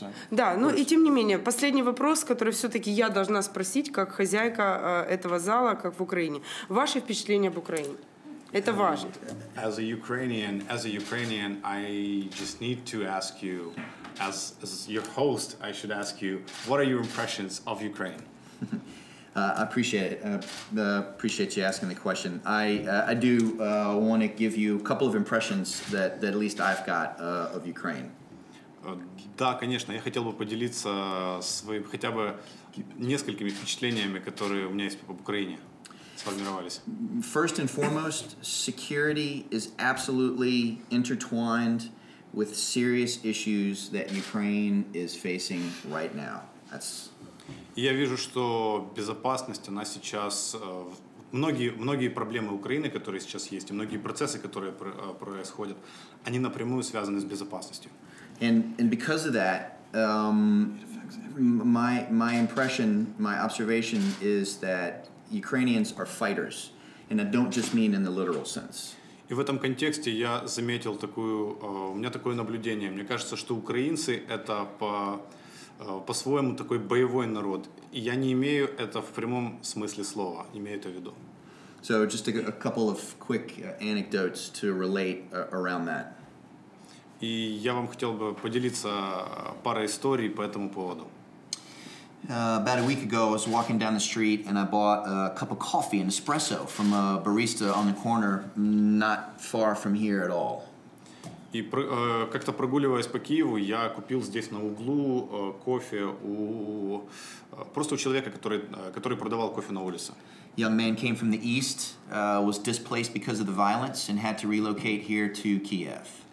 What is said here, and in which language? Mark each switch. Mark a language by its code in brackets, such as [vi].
[ru] Да, ну и тем не менее, последний вопрос, который все-таки я должна спросить, как хозяйка этого зала, как в Украине. Ваши впечатления об Украине? Это важно. [en] As a Ukrainian, I just need to ask you, as your host, I should ask you, what are your impressions of Ukraine? I appreciate you asking the question. I want to give you a couple of impressions that at least I've got of Ukraine. [ru] Да, конечно, я хотел бы поделиться своим хотя бы несколькими впечатлениями, которые у меня есть об Украине. [en] First and foremost, security is absolutely intertwined with serious issues that Ukraine is facing right now. That's [ru] Я вижу, что безопасность, она сейчас... Многие проблемы Украины, которые сейчас есть, и многие процессы, которые происходят, они напрямую связаны с безопасностью. [en] And because of that, my impression, my observation is that Ukrainians are fighters, and I don't just mean in the literal sense. [ru] И в этом контексте я заметил такую, у меня такое наблюдение. Мне кажется, что украинцы — это по-своему такой боевой народ. И я не имею это в прямом смысле слова, имею это в виду. [en] So just a couple of quick anecdotes to relate around that. [ru] И я вам хотел бы поделиться парой историй по этому поводу. [en] About a week ago, I was walking down the street and I bought a cup of coffee, an espresso, from a barista on the corner, not far from here at all. [ru] И как-то прогуливаясь по Киеву, я купил здесь на углу кофе у просто у человека, который продавал кофе на улице. [en] Young man came from the east, was displaced because of the violence and had to relocate here to Kiev.